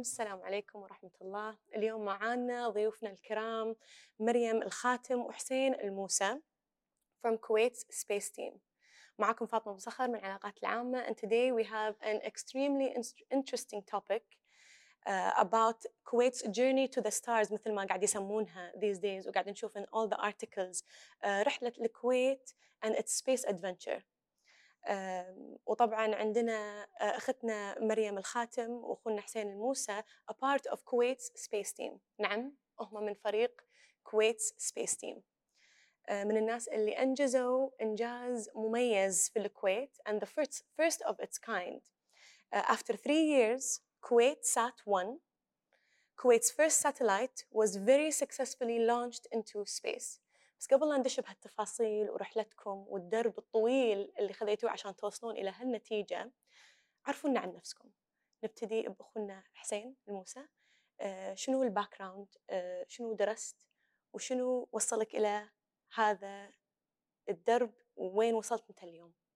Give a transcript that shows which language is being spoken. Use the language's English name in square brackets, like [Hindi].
[Arabic] السلام عليكم ورحمة الله. اليوم معانا ضيوفنا الكرام مريم الخاتم وحسين الموسى from Kuwait Space Team. معكم فاطمة مصخر من العلاقات العامة. [English] And today we have an extremely interesting topic about Kuwait's journey to the stars, [Arabic] مثل ما قاعد يسمونها [English] these days. [Arabic] وقاعد نشوف [English] in all the articles [Arabic] رحلة الكويت [English] and its space adventure. [Arabic] وطبعاً عندنا أختنا مريم الخاتم وأخونا حسين الموسى [English] a part of Kuwait's space team. [Arabic] نعم، هم من فريق Kuwait's space team. من الناس اللي أنجزوا إنجاز مميز في الكويت [English] and the first of its kind. After 3 years, Kuwait sat one. Kuwait's first satellite was very successfully launched into space. [Arabic] بس قبل أن ندش بهالتفاصيل ورحلتكم والدرب الطويل اللي خذيتوه عشان توصلون إلى هالنتيجة، عرفونا عن نفسكم. نبتدي بأخونا حسين الموسى. شنو الباكراوند؟ شنو درست؟ وشنو وصلك إلى هذا الدرب؟ وين وصلت أنت اليوم؟